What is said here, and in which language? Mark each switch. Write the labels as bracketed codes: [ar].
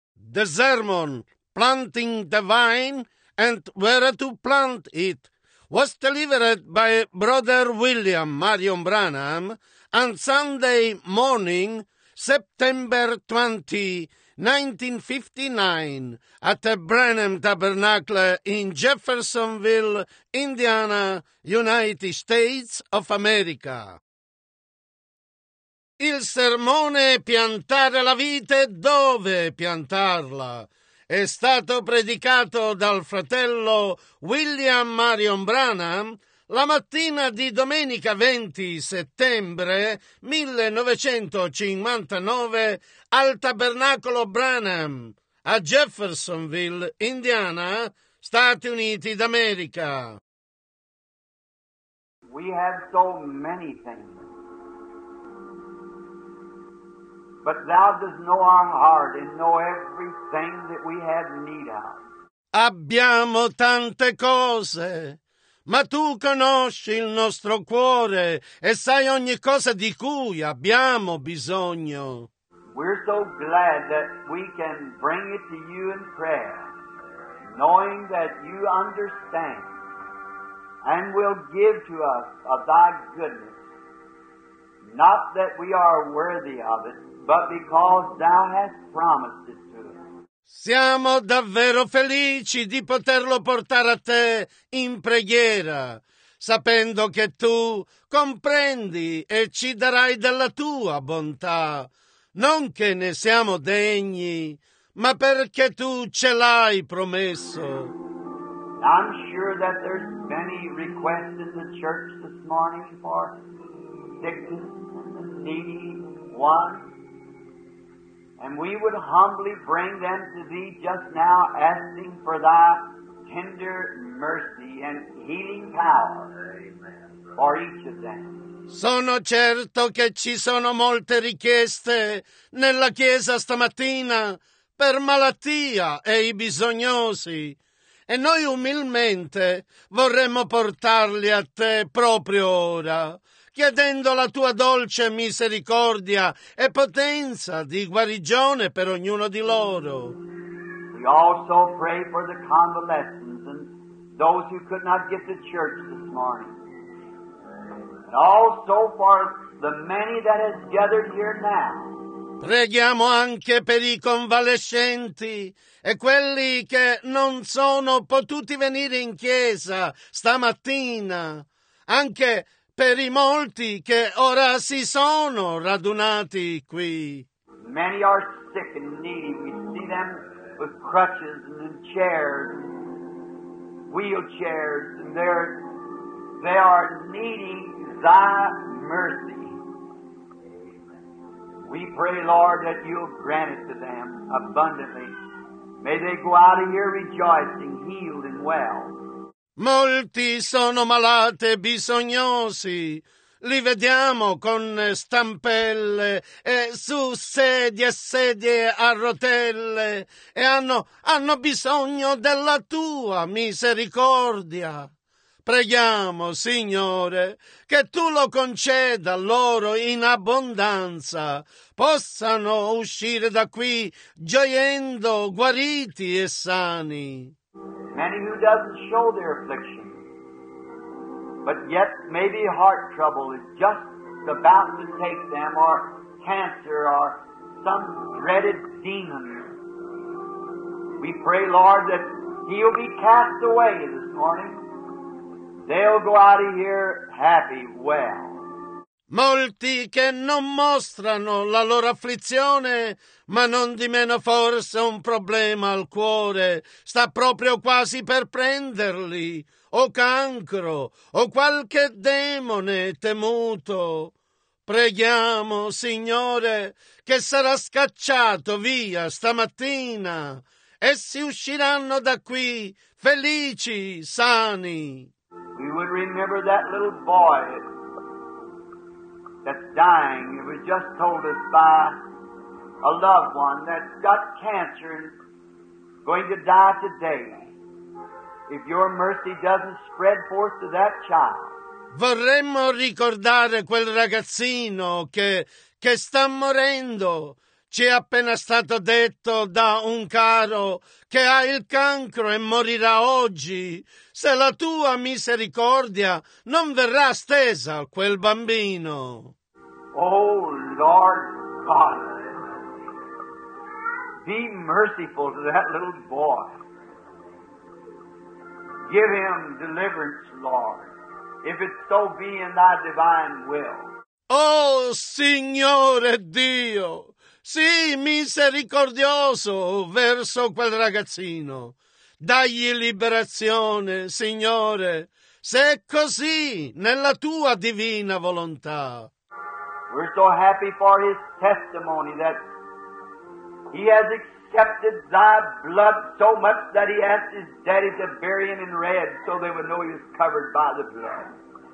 [en] the sermon, planting the vine and where to plant it, was delivered by Brother William Marion Branham on Sunday morning, September 20, 1959, at the Branham Tabernacle in Jeffersonville, Indiana, United States of America. [it] Il sermone Piantare la vite, dove piantarla? È stato predicato dal fratello William Marion Branham la mattina di domenica 20 settembre 1959 al Tabernacolo Branham a Jeffersonville, Indiana, Stati Uniti d'America. [en] We have so many things, but thou dost know our heart and know everything that we have need of. [it] Abbiamo tante cose, ma tu conosci il nostro cuore e sai ogni cosa di cui abbiamo bisogno. [en] We're so glad that we can bring it to you in prayer, knowing that you understand and will give to us of thy goodness, not that we are worthy of it, but because thou hast promised it to us. [it] Siamo davvero felici di poterlo portare a te in preghiera, sapendo che tu comprendi e ci darai della tua bontà, non che ne siamo degni, ma perché tu ce l'hai promesso. [en] I'm sure that there's many requests in the church this morning for sickness, needy ones. And we would humbly bring them to thee just now, asking for thy tender mercy and healing power for each of them. [it] Sono certo che ci sono molte richieste nella chiesa stamattina per malattia e i bisognosi, e noi umilmente vorremmo portarli a te proprio ora, chiedendo la tua dolce misericordia e potenza di guarigione per ognuno di loro. [en] We also pray for the convalescents and those who could not get to church this morning. And also for the many that have gathered here now. [it] Preghiamo anche per i convalescenti e quelli che non sono potuti venire in chiesa stamattina, anche per i molti che ora si sono radunati qui. [en] Many are sick and needy. We see them with crutches and in chairs, wheelchairs, and they are needing thy mercy. We pray, Lord, that you'll grant it to them abundantly. May they go out of here rejoicing, healed and well. [it] Molti sono malati e bisognosi, li vediamo con stampelle e su sedie a rotelle, e hanno bisogno della tua misericordia. Preghiamo, Signore, che tu lo conceda loro in abbondanza, possano uscire da qui gioiendo, guariti e sani. [en] Many who doesn't show their affliction, but yet maybe heart trouble is just about to take them, or cancer, or some dreaded demon. We pray, Lord, that he'll be cast away this morning. They'll go out of here happy, well. [it] Molti che non mostrano la loro afflizione, ma non di meno forse un problema al cuore sta proprio quasi per prenderli, o cancro, o qualche demone temuto. Preghiamo, Signore, che sarà scacciato via stamattina, e si usciranno da qui felici, sani. [en] We would remember that little boy that's dying. It was just told us by a loved one that's got cancer and going to die today. If your mercy doesn't spread forth to that child. [it] Vorremmo ricordare quel ragazzino che sta morendo. ci è appena stato detto da un caro che ha il cancro e morirà oggi, se la tua misericordia non verrà stesa a quel bambino. [en] Oh Lord God, be merciful to that little boy. Give him deliverance, Lord, if it so be in thy divine will. [it] Oh Signore Dio, sii misericordioso verso quel ragazzino. Dagli liberazione, Signore, se è così nella tua divina volontà. [en] We're so happy for his testimony that he has accepted thy blood so much that he asked his daddy to bury him in red so they would know he was covered by the blood.